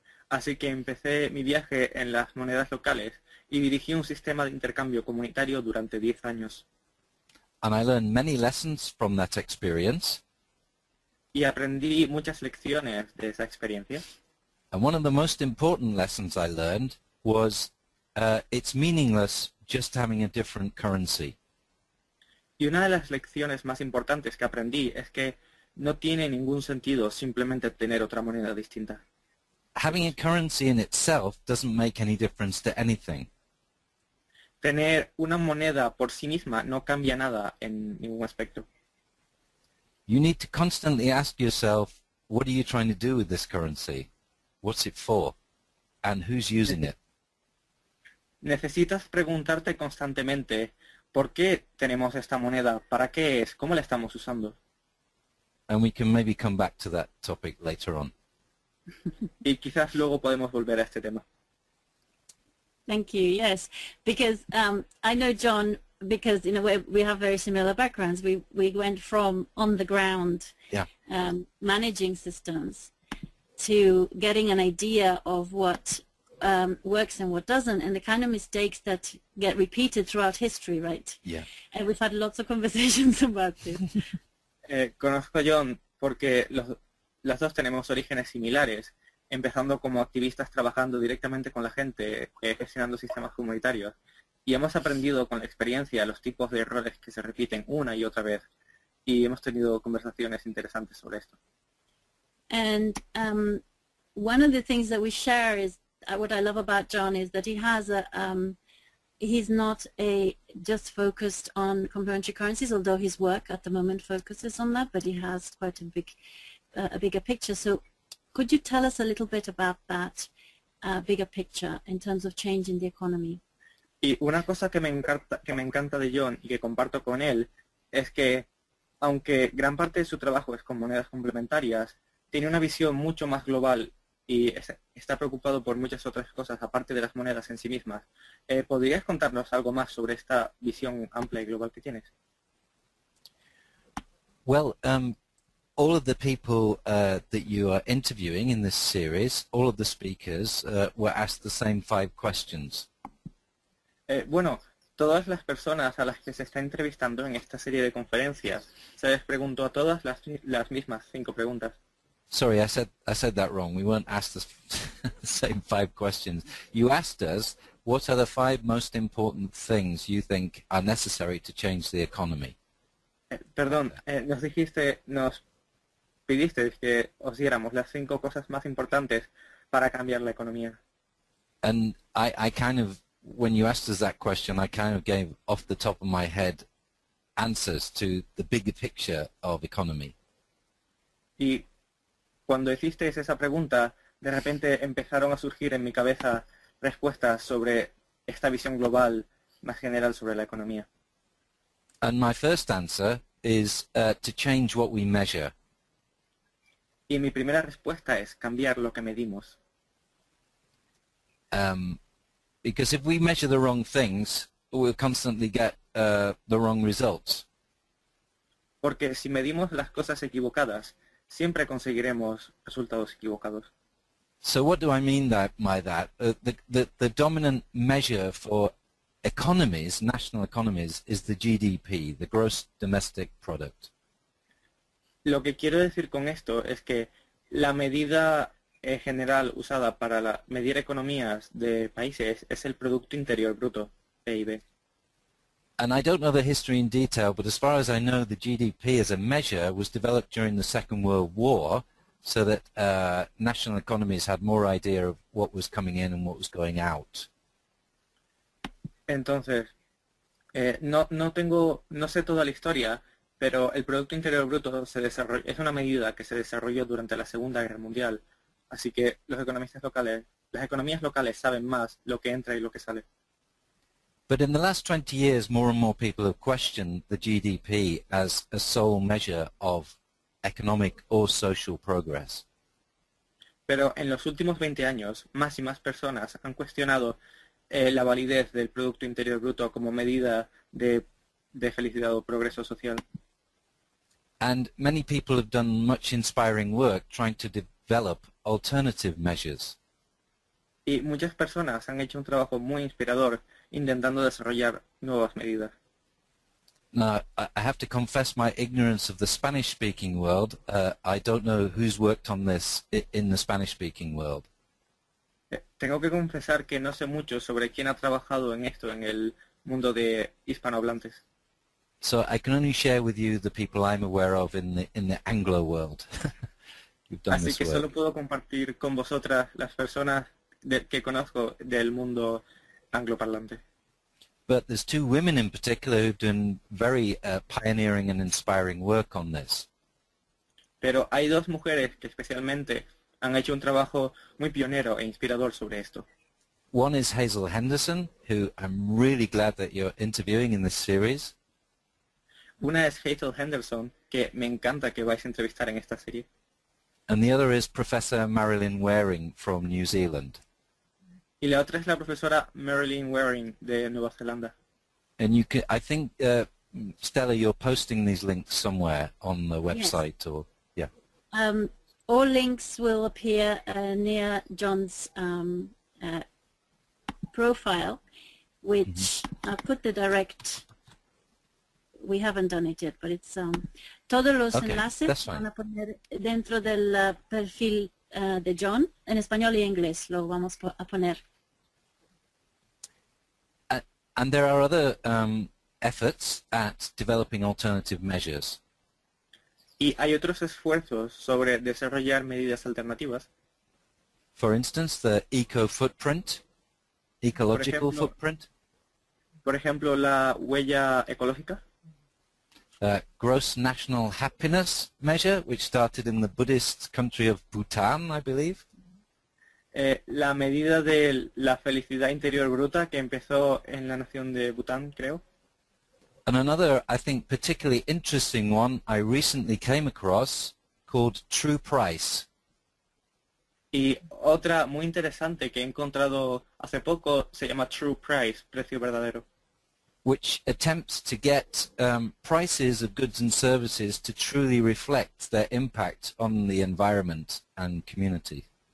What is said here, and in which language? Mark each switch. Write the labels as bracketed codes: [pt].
[es] Así que empecé mi viaje en las monedas locales y dirigí un sistema de intercambio comunitario durante 10 años. [en] And I learned many lessons from that experience. [es] Y aprendí muchas lecciones de esa experiencia. [en] And one of the most important lessons I learned was it's meaningless just having a different currency. [es] Y una de las lecciones más importantes que aprendí es que no tiene ningún sentido simplemente tener otra moneda distinta. [en] Having a currency in itself doesn't make any difference to anything. [es] Tener una moneda por sí misma no cambia nada en ningún aspecto. [en] You need to constantly ask yourself, what are you trying to do with this currency? What's it for? And who's using it? [es] Necesitas preguntarte constantemente, ¿por qué tenemos esta moneda? ¿Para qué es? ¿Cómo la estamos usando? [en] And we can maybe come back to that topic later on. [es] Y quizás luego podemos volver a este tema. [en] Thank you, yes. Because I know John, because in a way we have very similar backgrounds. We went from on the ground managing systems to getting an idea of what works and what doesn't, and the kind of mistakes that get repeated throughout history, right? Yeah. And we've had lots of conversations about this. [es] Conozco a John porque las dos tenemos orígenes similares, empezando como activistas trabajando directamente con la gente, gestionando sistemas comunitarios, y hemos aprendido con la experiencia los tipos de errores que se repiten una y otra vez, y hemos tenido conversaciones interesantes sobre esto. [en] And one of the things that we share is what I love about John is that he has a he's not a just focused on complementary currencies, although his work at the moment focuses on that, but he has quite a bigger picture. So could you tell us a little bit about that bigger picture in terms of changing the economy? [es] Y una cosa que me encanta de John y que comparto con él es que aunque gran parte de su trabajo es con monedas complementarias, tiene una visión mucho más global y está preocupado por muchas otras cosas aparte de las monedas en sí mismas. ¿Podrías contarnos algo más sobre esta visión amplia y global que tienes? [en] Well, all of the people that you are interviewing in this series, all of the speakers were asked the same 5 questions. [es] Bueno, todas las personas a las que se está entrevistando en esta serie de conferencias se les preguntó a todas las mismas 5 preguntas. [en] Sorry, I said that wrong. We weren't asked the same 5 questions. You asked us, what are the 5 most important things you think are necessary to change the economy? [es] Perdón, nos pidiste que os diéramos las 5 cosas más importantes para cambiar la economía. [en] And I kind of, when you asked us that question, I kind of gave off the top of my head answers to the bigger picture of economy. [es] Y cuando hicisteis esa pregunta, de repente empezaron a surgir en mi cabeza respuestas sobre esta visión global más general sobre la economía. [en] And my first answer is to change what we measure. [es] Y mi primera respuesta es cambiar lo que medimos. [en] Because if we measure the wrong things, we'll constantly get the wrong results. [es] Porque si medimos las cosas equivocadas, siempre conseguiremos resultados equivocados. [en] So what do I mean by that? The dominant measure for economies, national economies, is the GDP, the gross domestic product. [es] Lo que quiero decir con esto es que la medida general usada para medir economías de países es el producto interior bruto, PIB. [en] And I don't know the history in detail, but as far as I know, the GDP as a measure was developed during the Second World War so that national economies had more idea of what was coming in and what was going out. [es] Entonces, no sé toda la historia, pero el Producto Interior Bruto es una medida que se desarrolló durante la Segunda Guerra Mundial, así que las economías locales saben más lo que entra y lo que sale. [en] But in the last 20 years, more and more people have questioned the GDP as a sole measure of economic or social progress. [es] Pero en los últimos 20 años, más y más personas han cuestionado la validez del Producto Interior Bruto como medida de felicidad o progreso social. [en] And many people have done much inspiring work trying to develop alternative measures. [es] Y muchas personas han hecho un trabajo muy inspirador intentando desarrollar nuevas medidas. [en] Now, I have to confess my ignorance of the Spanish-speaking world. I don't know who's worked on this in the Spanish-speaking world. [es] Tengo que confesar que no sé mucho sobre quién ha trabajado en esto en el mundo de hispanohablantes. [en] So I can only share with you the people I'm aware of in the Anglo world. You've done [es] Así [en] this [es] que [en] work. [es] Solo puedo compartir con vosotras las personas que conozco del mundo angloparlante. [en] But there's 2 women in particular who've done very pioneering and inspiring work on this. [es] Pero hay 2 mujeres que especialmente han hecho un trabajo muy pionero e inspirador sobre esto. [en] One is Hazel Henderson, who I'm really glad that you're interviewing in this series. [es] Una es Hazel Henderson, me encanta que vais a entrevistar en esta serie. [en] And the other is Professor Marilyn Waring from New Zealand. [es] Y la otra es la profesora Marilyn Waring de Nueva Zelanda. [en] And you can, I think, Stella, you're posting these links somewhere on the website. Yes. Or yeah. All links will appear near John's profile, which I put the direct. We haven't done it yet, but it's [es] todos los enlaces van a poner dentro del perfil de John en español y inglés. Lo vamos a poner. [en] And there are other efforts at developing alternative measures. [es] Y hay otros esfuerzos sobre desarrollar medidas alternativas. [en] For instance, the eco footprint, ecological footprint. [es] Por ejemplo, la huella ecológica. [en] Gross national happiness measure, which started in the Buddhist country of Bhutan, I believe. [es] La medida de la felicidad interior bruta que empezó en la nación de Bután, creo. [en] And another, I think, particularly interesting one I recently came across called True Price. [es] Y otra muy interesante que he encontrado hace poco se llama True Price, precio verdadero. [en] Which attempts to get prices of goods and services to truly reflect their impact on the environment and community.